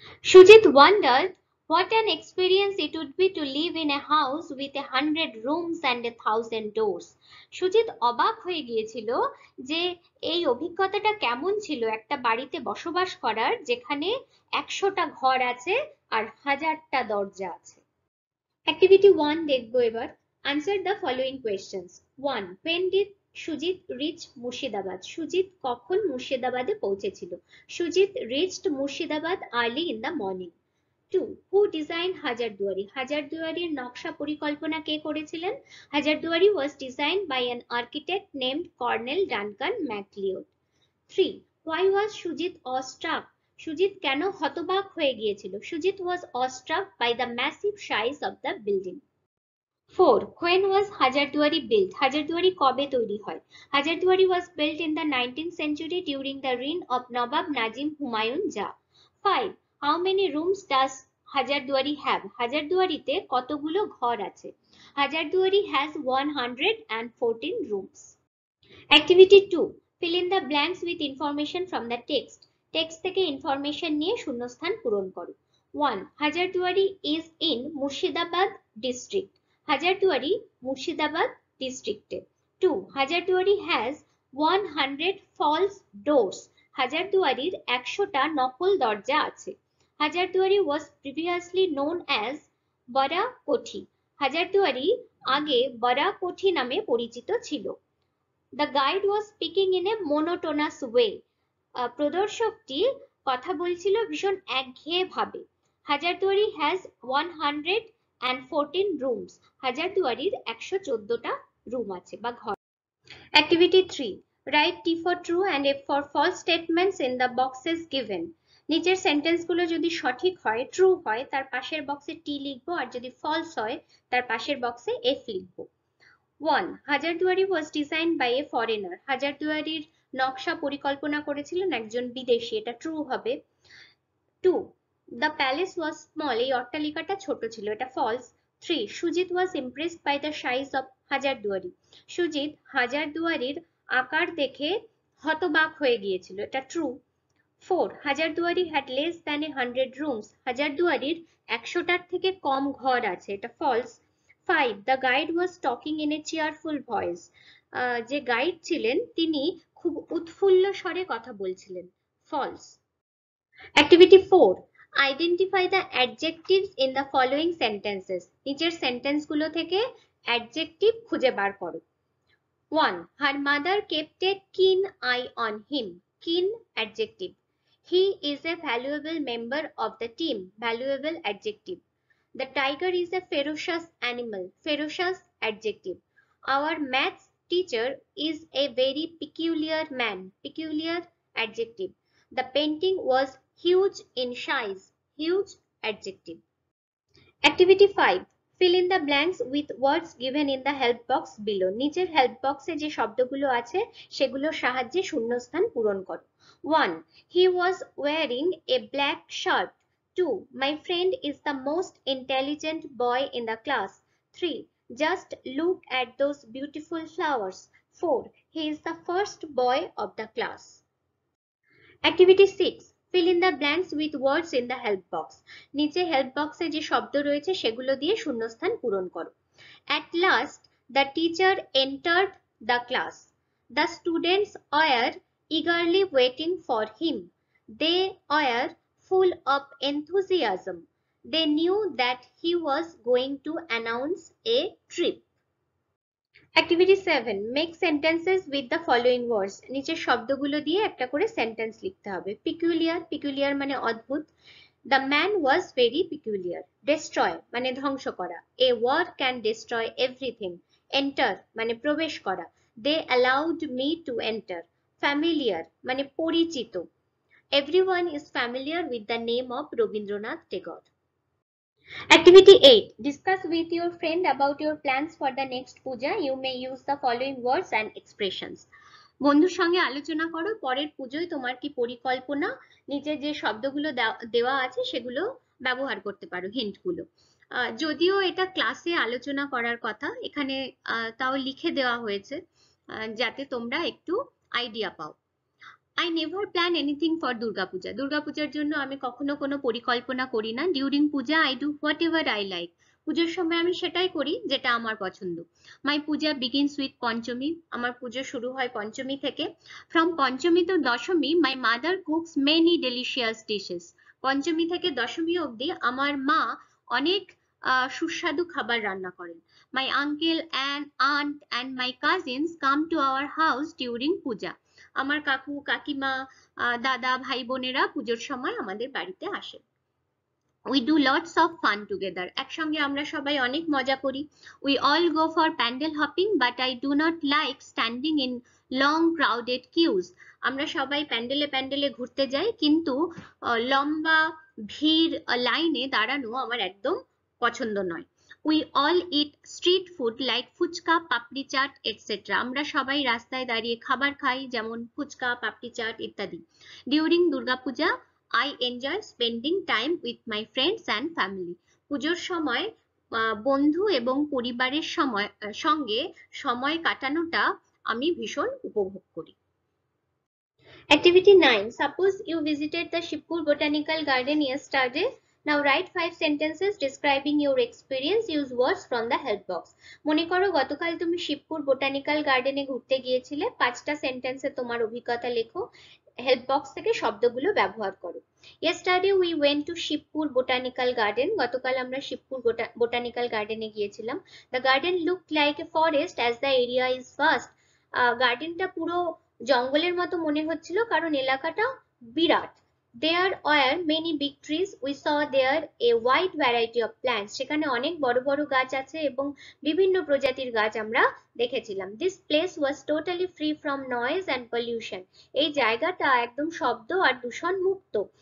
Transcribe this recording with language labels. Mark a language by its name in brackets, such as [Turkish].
[English] Sujit wonder What an experience it would be to live in a house with 100 rooms and 1000 doors. [Bangla] Sujit অবাক হয়ে গিয়েছিল যে এই অভিজ্ঞতাটা কেমন ছিল একটা বাড়িতে বসবাস করার যেখানে 100টা ঘর আছে আর 1000টা দরজা আছে। [English] activity 1 [Bangla] দেখবো এবার। [English] Answer the following questions. 1. When did Sujit reach Murshidabad? [Bangla] Sujit কখন মুর্শিদাবাদে পৌঁছেছিল? [English] Sujit reached Murshidabad early in the morning. 2. Who designed Hajardwari? [Bangla] Hajardwari-র নকশা পরিকল্পনা কে করেছিলেন? [English] Hajardwari was designed by an architect named Cornell Duncan MacLeod. 3. Why was Sujit awestruck? [Bangla] Sujit কেন হতবাক হয়ে গিয়েছিল? [English] Sujit was awestruck by the massive size of the building. 4. When was Hajardwari built? [Bangla] Hajardwari কবে তৈরি হয়? [English] Hajardwari was built in the 19th century during the reign of Nawab Nazim Humayun Jah. 5. How many rooms does Hajardwari have? [Bangla] Hajardwari-তে কতগুলো ঘর আছে? [English] Hajardwari has 114 rooms. Activity 2. Fill in the blanks with information from the text. [Bangla] Text থেকে information নিয়ে শূন্যস্থান পূরণ করো। [English] 1. Hajardwari is in Murshidabad district. Hajardwari Murshidabad district. 2. Hajardwari has 100 false doors. [Bangla] Hajardwari-র 100টা নকল দরজা আছে। [English] Hazarduari was previously known as Bara Kothi. [Bangla] হাজারদুয়ারি আগে বড়া কোঠি নামে পরিচিত ছিল। [English] The guide was speaking in a monotonous way. [Bangla] প্রদর্শকটি কথা বলছিল ভীষণ একঘেয়ে ভাবে। [English] Hazarduari has 114 rooms. [Bangla] হাজারদুয়ারির 114টা রুম আছে বা ঘর। [English] Activity 3. Write T for true and F for false statements in the boxes given. [Bangla] নিচের সেন্টেন্সগুলো যদি সঠিক হয়, ট্রু হয়, তার পাশের বক্সে টি লিখবো, আর যদি ফলস হয় তার পাশের বক্সে এফ লিখবো। 1. [English] Hazarduari was design by a foreigner. [Bangla] হাজারদুয়ারির নকশা পরিকল্পনা করেছিলেন একজন বিদেশি। এটা ট্রু হবে। 2. [English] The palace was small. [Bangla] এই অট্টালিকাটা ছোট ছিল, এটা false. [English] Three, Shujit was impressed by the size of Hazarduari. [Bangla] সুজিত হাজার দুয়ারির আকার দেখে হতবাক হয়ে গিয়েছিল, এটা true. [English] Four, Hazarduari had less than 100 rooms. [Bangla] হাজার দুয়ারির 100টার থেকে কম ঘর আছে, এটা false. [English] Five, the guide was talking in a cheerful voice. [Bangla] যে গাইড ছিলেন তিনি খুব উৎফুল্ল স্বরে কথা বলছিলেন, false. [English] Activity 4. Identify the adjectives in the following sentences. [Bangla] নিচের সেন্টেন্সগুলো থেকে adjective খুঁজে বার করো. [English] 1. Her mother kept a keen eye on him. Keen adjective. He is a valuable member of the team. Valuable adjective. The tiger is a ferocious animal. Ferocious adjective. Our maths teacher is a very peculiar man. Peculiar adjective. The painting was huge in size. Huge adjective. Activity 5. Fill in the blanks with words given in the help box below. [Bangla] নিচের help box এ যে শব্দগুলো আছে সেগুলোর সাহায্যে শূন্যস্থান পূরণ কর. [English] 1. He was wearing a black shirt. 2. My friend is the most intelligent boy in the class. 3. Just look at those beautiful flowers. 4. He is the first boy of the class. Activity 6. Fill in the blanks with words in the help box. [Bangla] নিচে help box এ যে শব্দ রয়েছে সেগুলো দিয়ে শূন্যস্থান পূরণ করো. [English] At last, the teacher entered the class. The students were eagerly waiting for him. They were full of enthusiasm. They knew that he was going to announce a trip. Activity 7. Make sentences with the following words. [Bangla] নিচে শব্দগুলো দিয়ে একটা করে sentence লিখতে হবে. Peculiar. Peculiar মানে অদ্ভুত. [English] The man was very peculiar. [Bangla] Destroy মানে ধ্বংস করা. [English] A word can destroy everything. [Bangla] Enter মানে প্রবেশ করা. [English] They allowed me to enter. [Bangla] Familiar মানে পরিচিত. [English] Everyone is familiar with the name of Rabindranath Tagore. Activity 8. Discuss with your friend about your plans for the next puja. You may use the following words and expressions. [Bangla] বন্ধুর সঙ্গে আলোচনা করো পরের পূজোয় তোমার কি পরিকল্পনা. নিচে যে শব্দগুলো দেওয়া আছে সেগুলো ব্যবহার করতে পারো, হিন্টগুলো. যদিও এটা ক্লাসে আলোচনা করার কথা, এখানে তাও লিখে দেওয়া হয়েছে যাতে তোমরা একটু আইডিয়া পাও. [English] I never plan anything for Durga Puja. [Bangla] Durga Puja-র জন্য আমি কখনো কোনো পরিকল্পনা করি না. [English] During Puja, I do whatever I like. [Bangla] পূজার সময় আমি সেটাই করি যেটা আমার পছন্দ. [English] My Puja begins with Panchami. [Bangla] আমার পূজা শুরু হয় পঞ্চমী থেকে. [English] From Panchami to Dashami, my mother cooks many delicious dishes. [Bangla] পঞ্চমী থেকে দশমী অবধি আমার মা অনেক সুস্বাদু খাবার রান্না করেন. [English] My uncle and aunt and my cousins come to our house during Puja. [Bangla] আমার কাকু কাকিমা দাদা ভাই বোনেরা পূজোর সময় আমাদের বাড়িতে আসে. [English] we do lots of fun together, [Bangla] একসঙ্গে আমরা সবাই অনেক মজা করি. [English] We all go for pandal hopping, but I do not like standing in long crowded queues. [Bangla] আমরা সবাই প্যান্ডেলে প্যান্ডেলে ঘুরতে যাই কিন্তু লম্বা ভিড় লাইনে দাঁড়ানো আমার একদম পছন্দ নয়। [English] we all eat street food like fuchka papdi chaat etcetera, [Bangla] আমরা সবাই রাস্তায় দাঁড়িয়ে খাবার খাই যেমন ফুচকা পাপড়ি চাট ইত্যাদি। [English] during Durga Puja I enjoy spending time with my friends and family, [Bangla] পুজোর সময় বন্ধু এবং পরিবারের সময় সঙ্গে সময় কাটানোটা আমি ভীষণ উপভোগ করি। [English] Activity 9. Suppose you visited the Shibpur botanical garden yesterday. Now write 5 sentences describing your experience. Use words from the help box. [Bangla] মনে করো গতকাল তুমি শিবপুর বোটানিক্যাল গার্ডেনে ঘুরতে গিয়েছিলে, 5টা সেন্টেন্সে তোমার অভিজ্ঞতা লেখো, হেল্প বক্স থেকে শব্দগুলো ব্যবহার করো। [English] yesterday we went to Shibpur botanical garden, [Bangla] গতকাল আমরা শিবপুর বোটানিক্যাল গার্ডেনে গিয়েছিলাম। [English] the garden look like a forest as the area is vast, [Bangla] গার্ডেনটা পুরো জঙ্গলের মতো মনে হচ্ছিল কারণ এলাকাটা বিরাট। [English] There were many big trees. We saw there a wide variety of plants. [Bangla] সেখানে অনেক বড় বড় গাছ আছে এবং বিভিন্ন প্রজাতির গাছ আমরা দেখেছিলাম। [English] This place was totally free from noise and pollution. [Bangla] এই জায়গাটা একদম শব্দ আর দূষণ মুক্ত।